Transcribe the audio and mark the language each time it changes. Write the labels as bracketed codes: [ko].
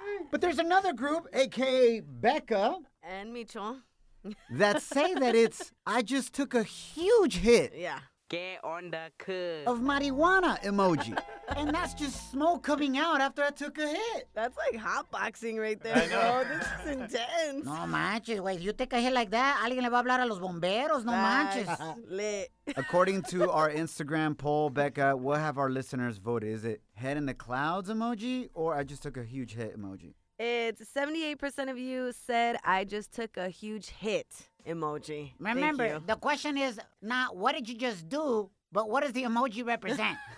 [en] But there's another group, aka Becca. And Micho. That say that it's, I just took a huge hit. Yeah. Get on the cook. Of marijuana emoji. And that's just smoke coming out after I took a hit. That's like hot boxing right there, bro. I know. This is intense. [es] No manches, [en] wait. If you take a hit like that, [es] alguien le va a hablar a los bomberos. No manches. [en] Lit. According to our Instagram poll, Becca, what have our listeners voted? Is it head in the clouds emoji or I just took a huge hit emoji? It's 78% of you said I just took a huge hit emoji. Remember, the question is not what did you just do, but what does the emoji represent?